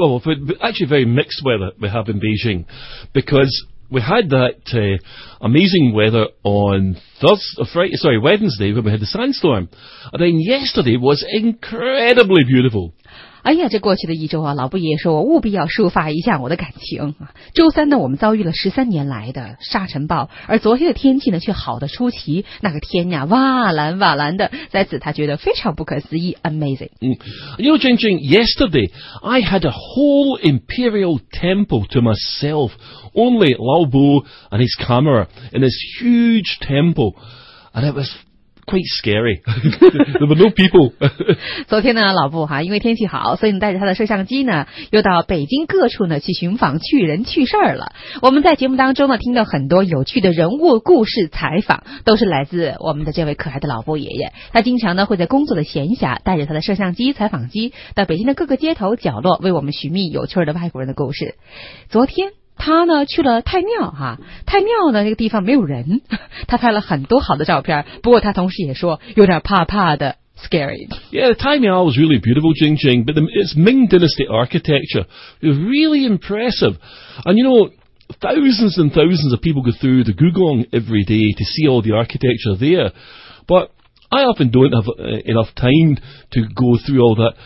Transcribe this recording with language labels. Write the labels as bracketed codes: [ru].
[en] Well, actually very mixed weather we have in Beijing, because we had that、amazing weather on Wednesday when we had the sandstorm. And then yesterday was incredibly beautiful. [zh] 哎呀，这过去的一周啊，老布爷说我务必要抒发一下我的感情。周三呢，我们遭遇了13年来的沙尘暴，而昨天的天气呢，却好得出奇。那个天呀，哇蓝哇蓝的，在此他觉得非常不可思议 ，amazing。 [en] 嗯 ，You know, Jing Jing, yesterday I had a whole imperial temple to myself, only Lao Bu and his camera in this huge temple, and it was. Quite scary. There were no people. [zh] 昨天呢，老布哈，因为天气好，所以你带着他的摄像机呢，又到北京各处呢去寻访趣人趣事儿了。我们在节目当中呢，听到很多有趣的人物故事采访，都是来自我们的这位可爱的老布爷爷。他经常呢会在工作的闲暇，带着他的摄像机、采访机，到北京的各个街头角落，为我们寻觅有趣的外国人的故事。昨天。他呢去了太庙哈、啊，太庙呢那个地方没有人，他拍了很多好的照片，不过他同时也说有点怕怕的 ，scary。 [en] Yeah, the Tai Miao was really beautiful, Jing Jing, but it's Ming Dynasty architecture. It's really impressive, and you know thousands and thousands of people go through the Guglong every day to see all the architecture there, but. I often don't have enough time to go through all that.